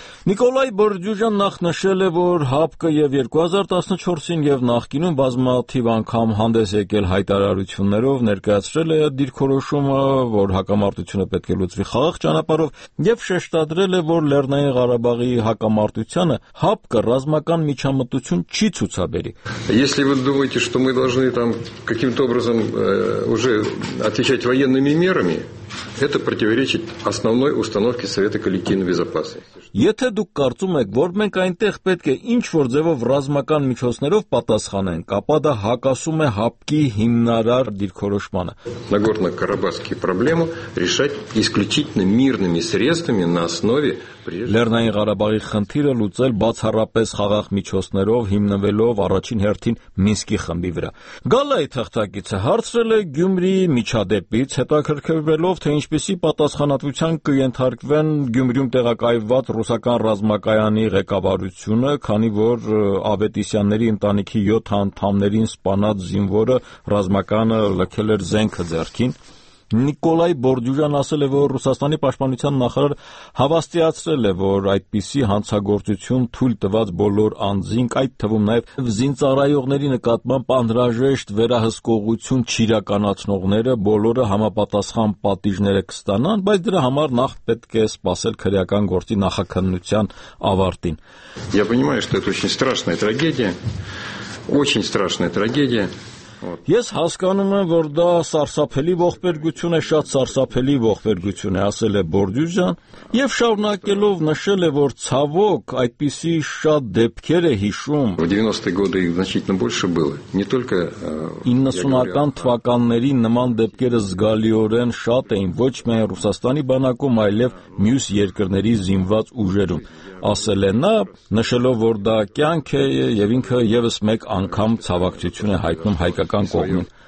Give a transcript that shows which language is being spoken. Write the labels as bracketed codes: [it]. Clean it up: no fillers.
[hy] Նիկոլայ Բորդյուժան նախ նշել է, որ ՀԱՊԿ-ը և 2014-ին և նախկինում բազմաթիվ անգամ հանդես եկել հայտարարություններով, ներկայացրել է դիրքորոշումը, որ հակամարտությունը պետք է լուծվի խաղաղ ճանապարհով, և շեշտադրել է, որ Լեռնային Ղարաբաղի հակամարտությունը Հապկը ռազմական միջամտություն չի ցուցաբերի։ [ru] Если вы думаете, что мы должны там каким-то образом уже отвечать военными мерами, это противоречит основной установке Совета коллективной безопасности. [hy] Եթե դուք կարծում եք, որ մենք այնտեղ պետք է ինչ-որ ձևով ռազմական միջոցներով պատասխանենք, ապա դա հակասում է Հապկի հիմնարար դիրքորոշմանը։ [ru] Нагорно-Карабахские проблемы решать исключительно мирными средствами на основе [hy] Լեռնային Ղարաբաղի խնդիրը լուծել բացառապես խաղաղ միջոցներով, հիմնվելով առաջին հերթին Մինսկի խմբի վրա։ Գալայի թղթակիցը հարցրել է Գյումրիի միջադեպից, հետաքրքրվելով, թե ինչպիսի պատասխանատվության կընդհարկվեն Գյումրիում տեղակայված ռուսական ռազմակայանի ղեկավարությունը, քանի որ Ավետիսյանների ընտանիքի 7 անդամներին սպանած զինվորը ռազմականը լքել էր զենքը ձեռքին։ Նիկոլայ Բորդյուժան ասել է, որ Ռուսաստանի պաշտպանության նախարար հավաստիացրել է, որ այդպիսի հանցագործություն թույլ տված բոլոր անձինք, այդ թվում նաև զինծառայողների նկատմամբ անհրաժեշտ վերահսկողություն չիրականացնողները, բոլորը համապատասխան պատիժները կստանան, բայց դրա համար նախ պետք է սպասել քրեական գործի նախաքննության ավարտին։ [ru] Я понимаю, что это очень страшная трагедия, очень страшная трагедия. [hy] Ես հասկանում եմ, որ դա սարսափելի ողբերգություն է, շատ սարսափելի ողբերգություն է, ասել է Բորդյուժան, և շարունակելով նշել է, որ ցավոք այդպիսի շատ դեպքեր է հիշում. [ru] 90-ի գոդի значительно больше было. Не только [hy] 90-ական թվականների նման դեպքերը զգալիորեն շատ էին ոչ միայն Ռուսաստանի բանակում, այլև մյուս երկրների զինված ուժերում, ասել է նա, նշելով, որ դա կյանք է, և ինքը ևս մեկ անգամ ցավակցություն է հայտնում հայկական կողմին։